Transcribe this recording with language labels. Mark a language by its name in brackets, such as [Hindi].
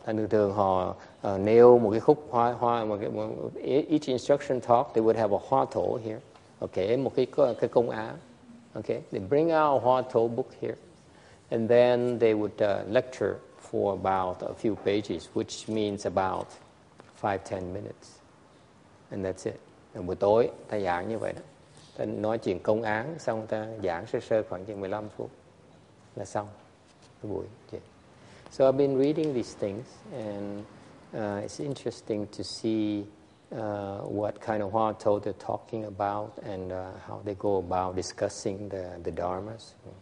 [Vietnamese] Thường thường họ nêu một cái khúc hoa, hoa một cái, một, [English] each instruction talk, they would have a hua tou here. [Vietnamese] Okay, một cái công án. [English] Okay, they bring out a hua tou book here. And then they would lecture for about a few pages, which means about 5-10 minutes. And that's it. [Vietnamese] Và buổi tối, ta giảng như vậy đó. Ta nói chuyện công án, xong ta giảng sơ sơ khoảng chừng 15 phút. Là xong. Buổi. Yeah. [English] So I've been reading these things, and it's interesting to see what kind of hua tou they're talking about, and how they go about discussing the dharmas.